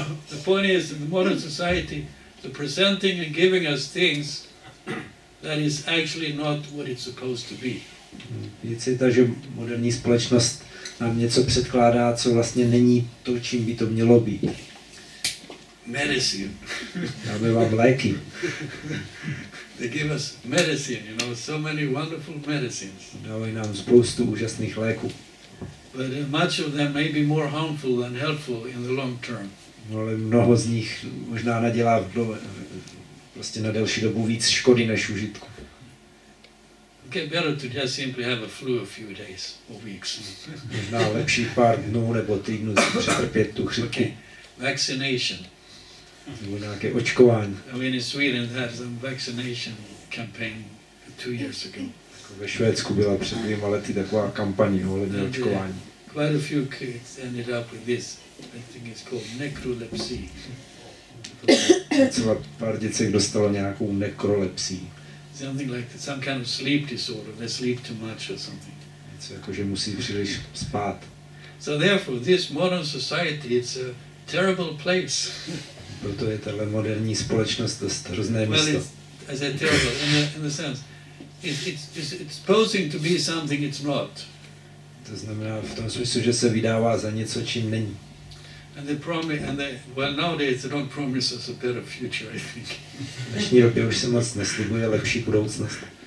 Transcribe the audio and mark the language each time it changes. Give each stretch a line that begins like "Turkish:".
English: The point is, in the modern society, the presenting and giving us things that is actually not what it's supposed to be.
Czech: Věc je ta, že moderní společnost nám něco předkládá, co vlastně není to, čím by to mělo být.
English: Medicine.
Czech: Dáme vám léky.
English: They give us medicine, you know, so many wonderful medicines.
Czech: Dávají nám spoustu úžasných léků.
English: But much of them may be more harmful than helpful in the long term.
Czech: No, ale mnoho z nich možná nadělá prostě na delší dobu víc škody než užitku.
English: Okay, better to just simply have a flu a few days or weeks.
Czech: Možná lepší pár dnů nebo týdnů přetrpět tu chřipku.
English: Okay. Vaccination.
Czech: Nebo nějaké očkování.
English: I mean, in Sweden had some vaccination campaign 2 years ago.
Czech: Ve Švédsku byla před 2 lety taková kampaň ohledně očkování.
English: Quite a few kids ended up with this. I think it's called necrolepsy.
Czech: Třeba pár děcek dostalo nějakou necrolepsii.
English: Something like that, some kind of sleep disorder, they sleep too much or something.
Czech: Něco jako, že musí příliš spát.
English: So therefore, this modern society, it's a terrible place.
Czech: Proto je tato moderní společnost dost hrozné místo.
English: Well, it's a terrible, in the sense, it's posing to be something it's not.
Czech: To znamená v tom smyslu, že se vydává za něco, čím není.
English: And they promise, and they, well, nowadays they don't promise us a better future, I think.
Czech: V dnešní době už se moc neslibuje lepší budoucnost.